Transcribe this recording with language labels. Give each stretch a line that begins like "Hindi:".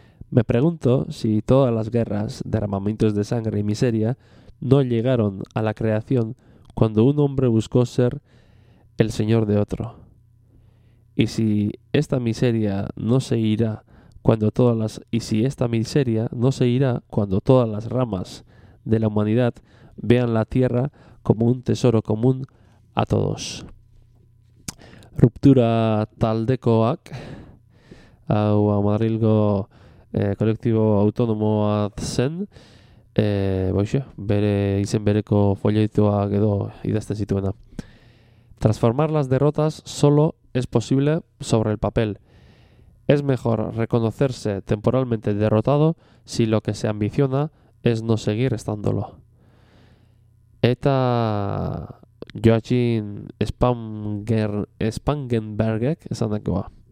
Spanish: Me pregunto si todas las guerras, derramamientos de sangre y miseria no llegaron a la creación cuando un hombre buscó ser el señor de otro. Y si esta miseria no se irá cuando todas las ramas de la humanidad vean la tierra como un tesoro común a todos.
Basque: Ruptura taldekoak hau Madrilgo kolektibo autonomoa zen, bere izen bereko folletoa edo idazten zituena.
Spanish: Transformar las derrotas solo es posible sobre el papel. Es mejor reconocerse temporalmente derrotado si lo que se ambiciona es no seguir estándolo.
Basque: Eta Joachim Spangenbergek esandakoa.